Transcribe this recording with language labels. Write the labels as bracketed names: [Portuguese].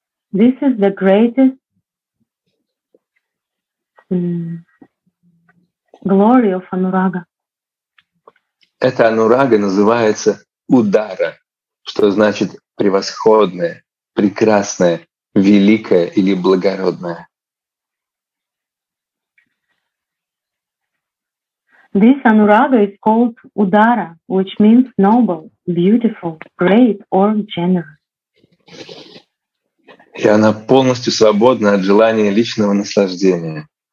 [English] This is the greatest glory of Anuraga. [Russian] Эта Анурага называется Удара, что значит превосходное, прекрасное, великое или благородное. [English] This anuraga is called udara, which means noble, beautiful, great or generous. [Russian] И она полностью свободна от желания личного наслаждения.